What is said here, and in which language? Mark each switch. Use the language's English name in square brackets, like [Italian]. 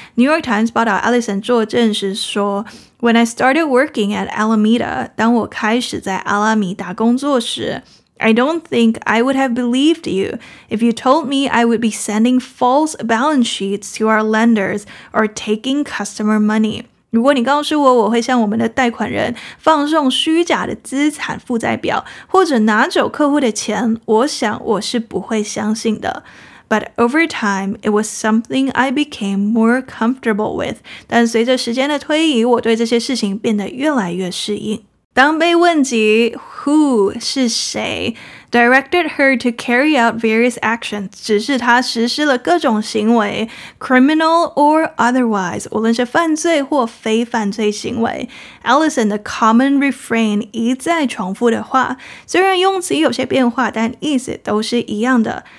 [English] New York Times [Chinese] 报道 [English] Allison [Chinese] 作证时说， [English] When I started working at Alameda， [Chinese] 当我开始在阿拉米达工作时， [English] I don't think I would have believed you if you told me I would be sending false balance sheets to our lenders or taking customer money. [Chinese] 如果你告诉我，我会向我们的贷款人放送虚假的资产负债表，或者拿走客户的钱，我想我是不会相信的。 [English] But over time, it was something I became more comfortable with. [Chinese] 但随着时间的推移，我对这些事情变得越来越适应。当被问及 [English] who [Chinese] 是谁 [English] directed her to carry out various actions， [Chinese] 指示她实施了各种行为 [English] criminal or otherwise， [Chinese] 无论是犯罪或非犯罪行为， Allison 的 [English] common refrain [Chinese] 一再重复的话，虽然用词有些变化，但意思都是一样的。